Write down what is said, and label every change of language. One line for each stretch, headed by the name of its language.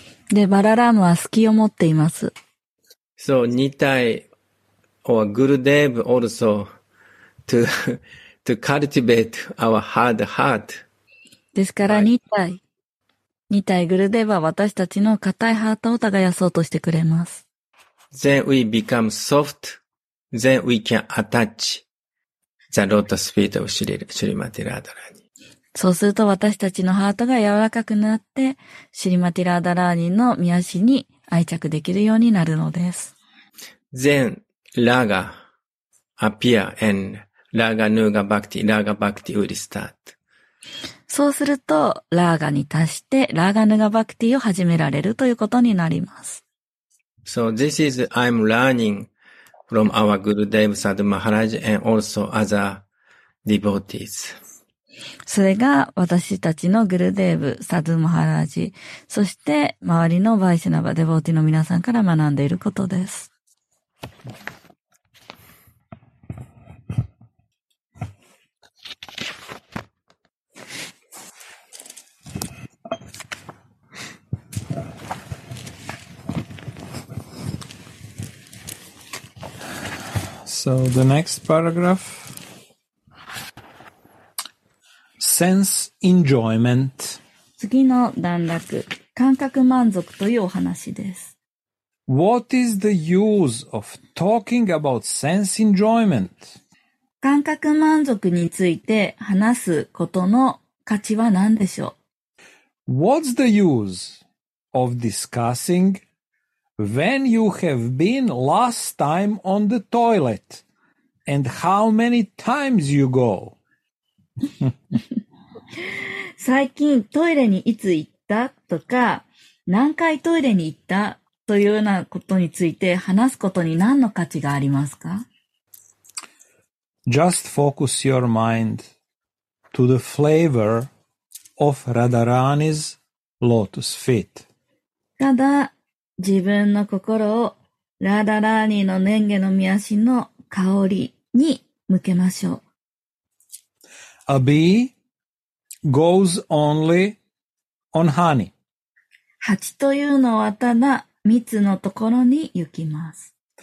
Japanese: で、バララームは好きを持っています。
English: So, Nitai or Gurudev also to cultivate our hard heart.
Japanese: ですから、Nitai Gurudev は私たちの硬いハートを耕そうとしてくれます。
English: Then we become soft, then we can attach the lotus feet of Shrimati Radharani.
Japanese: そうすると私たちのハートが柔らかくなって、シリマティラーダラーニの御足に愛着できるようになるのです。
English: Then, Raga appear and Raga Nuga Bhakti, Raga Bhakti will start.
Japanese: そうすると、ラーガに達して、ラーガヌガバクティを始められるということになります。
English: So this is, I'm learning from our Gurudev Sadhu Maharaj and also other devotees.
Japanese: それが私たちのグルデーブ、サドゥマハラージ、そして周りのバイシナバ、デボーティの皆さんから学んでいることです。
English: So the next paragraph. Sense enjoyment.
Japanese: 次の段落、感覚満足というお話です。
English: What is the use of talking about sense enjoyment?
Japanese: 感覚満足について話すことの価値は何でしょう?
English: What's the use of discussing when you have been last time on the toilet and how many times you go?
Japanese: 最近トイレにいつ行ったとか何回トイレに行ったというようなことについて話すことに何の価値がありますか?
English: Just focus your mind to the flavor of Radharani's lotus feet.
Japanese: ただ自分の心をラダラーニの蓮華の御足の香りに向けましょう。
English: A beeGoes only on honey.
Japanese: 蜂というのはただ蜜のところに行きます。